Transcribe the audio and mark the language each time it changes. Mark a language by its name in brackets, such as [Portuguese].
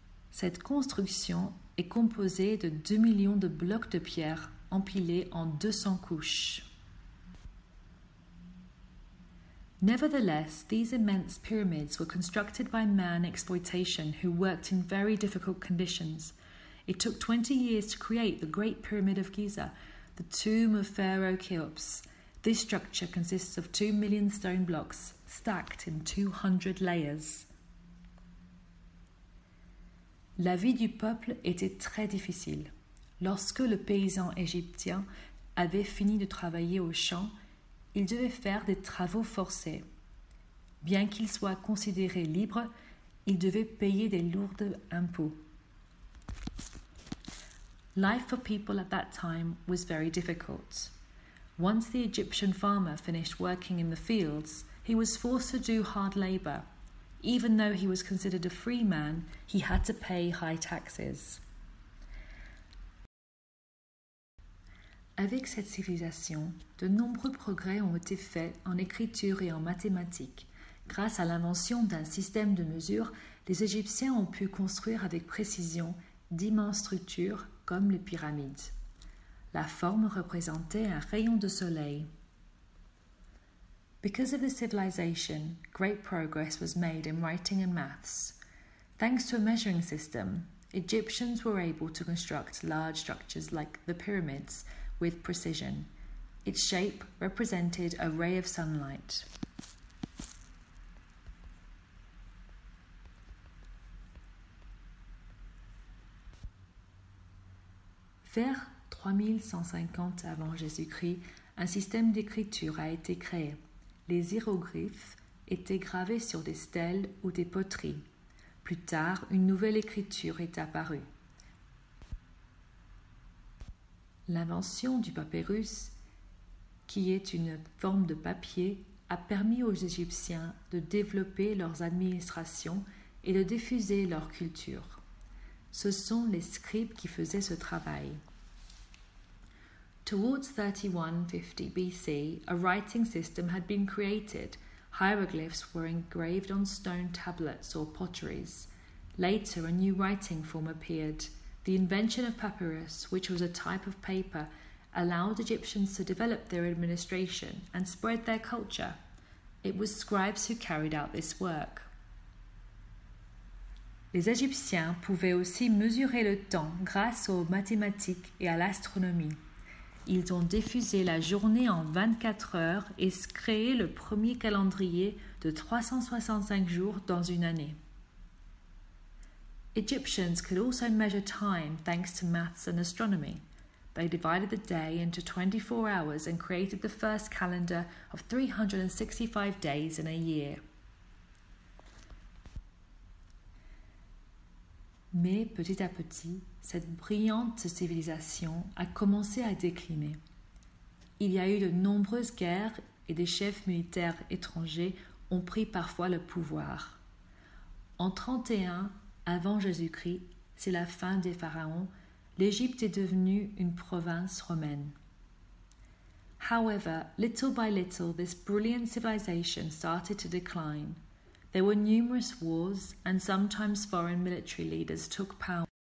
[French] Cette construction est composée de 2 millions de blocs de pierre empilés en 200 couches. [English] Nevertheless, these immense pyramids were constructed by man exploitation who worked in very difficult conditions. It took 20 years to create the Great Pyramid of Giza, the tomb of Pharaoh Cheops. This structure consists of 2 million stone blocks stacked in 200 layers. [French] La vie du peuple était très difficile. Lorsque le paysan égyptien avait fini de travailler au champ, il devait faire des travaux forcés. Bien qu'il soit considéré libre, il devait payer des lourds impôts. [English] Life for people at that time was very difficult. Once the Egyptian farmer finished working in the fields, he was forced to do hard labor. Even though he was considered a free man, he had to pay high taxes. [French] Avec cette civilisation, de nombreux progrès ont été faits en écriture et en mathématiques. Grâce à l'invention d'un système de mesure, les Égyptiens ont pu construire avec précision d'immenses structures comme les pyramides. La forme représentait un rayon de soleil. [English] Because of the civilization, great progress was made in writing and maths. Thanks to a measuring system, Egyptians were able to construct large structures like the pyramids with precision. Its shape represented a ray of sunlight. [French] Vers 3150 avant Jésus-Christ, un système d'écriture a été créé. Les hiéroglyphes étaient gravés sur des stèles ou des poteries. Plus tard, une nouvelle écriture est apparue. L'invention du papyrus, qui est une forme de papier, a permis aux Égyptiens de développer leurs administrations et de diffuser leur culture. Ce sont les scribes qui faisaient ce travail. [English] Towards 3150 BC, a writing system had been created. Hieroglyphs were engraved on stone tablets or potteries. Later, a new writing form appeared. The invention of papyrus, which was a type of paper, allowed Egyptians to develop their administration and spread their culture. It was scribes who carried out this work. [French] Les Égyptiens pouvaient aussi mesurer le temps grâce aux mathématiques et à l'astronomie. Ils ont diffusé la journée en 24 heures et créé le premier calendrier de 365 jours dans une année. [English] Egyptians could also measure time thanks to maths and astronomy. They divided the day into 24 hours and created the first calendar of 365 days in a year. [French] Mais petit à petit, cette brillante civilisation a commencé à décliner. Il y a eu de nombreuses guerres et des chefs militaires étrangers ont pris parfois le pouvoir. En 31 avant Jésus-Christ, c'est la fin des pharaons, l'Égypte est devenue une province romaine. [English] However, little by little, this brilliant civilization started to decline. There were numerous wars, and sometimes foreign military leaders took power.